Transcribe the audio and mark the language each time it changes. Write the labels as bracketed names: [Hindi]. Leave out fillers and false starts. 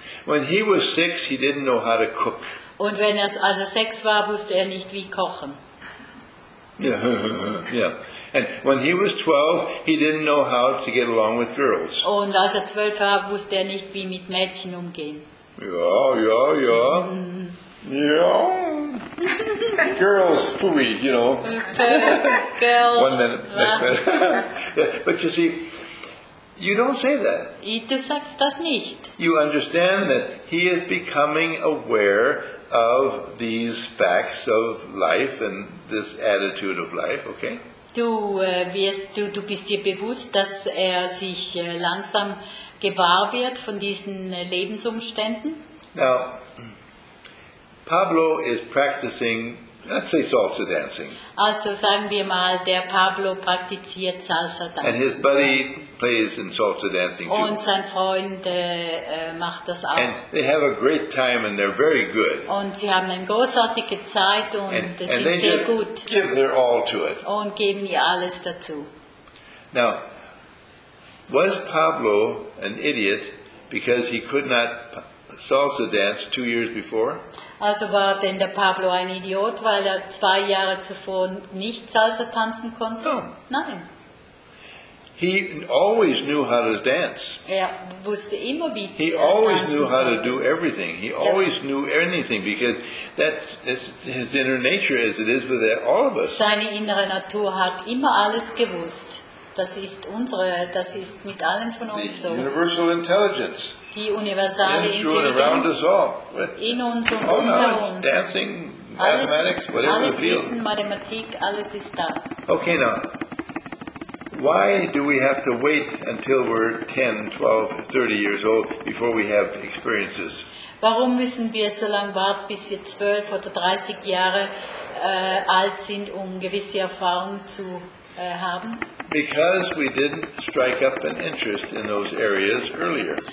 [English] When he was 6, he didn't know how to cook. [German] Und wenn als 6 war, wusste nicht wie kochen. [English] Yeah. And when he was 12, he didn't know how to get along with girls. [German] Und als 12 war, wusste nicht, wie mit Mädchen umgehen. [English] Ja. Mm. Ja. Girls, fooey, you know. Girls. 1 minute. Next minute. But you see, you don't say that. [German] Du sagst das nicht. [English] You understand that he is becoming aware of these facts of life and this attitude of life, okay? [German] Du bist dir bewusst, dass er sich langsam gewahr wird von diesen Lebensumständen? [English] Now, Pablo is practicing, let's say salsa dancing. [German] Also sagen wir mal, der Pablo praktiziert Salsa Tanzen. [English] And his buddy plays in salsa dancing too. [German] Und sein Freund macht das auch. [English] And they have a great time and they're very good. [German] Und sie haben eine großartige Zeit und sind sehr gut. [English] And they just give their all to it. [German] Und geben ihr alles dazu. [English] Now, was Pablo an idiot because he could not salsa dance 2 years before? [German] Also war denn der Pablo ein Idiot, weil er 2 Jahre zuvor nicht Salsa tanzen konnte? [English] No. [German] Nein. [English] He always knew how to dance. [German] Er wusste immer, wie [English] he always knew how to do everything. He always knew anything, because that is his inner nature, as it is with all of us. [German] Seine innere Natur hat immer alles gewusst. Das ist mit allen von uns so. [English] The universal intelligence. [German] Die universale Intelligenz. [English] Around us all. [German] In uns und unter uns. [English] Dancing, mathematics, whatever the field. [German] Alles Wissen, Mathematik, alles ist da. [English] Okay, now. Why do we have to wait until we're 10, 12, 30 years old before we have experiences? [German] Warum müssen wir so lange warten, bis wir 12 oder 30 Jahre alt sind, um gewisse Erfahrungen zu haben? [English] Because we didn't strike up an interest in those areas earlier.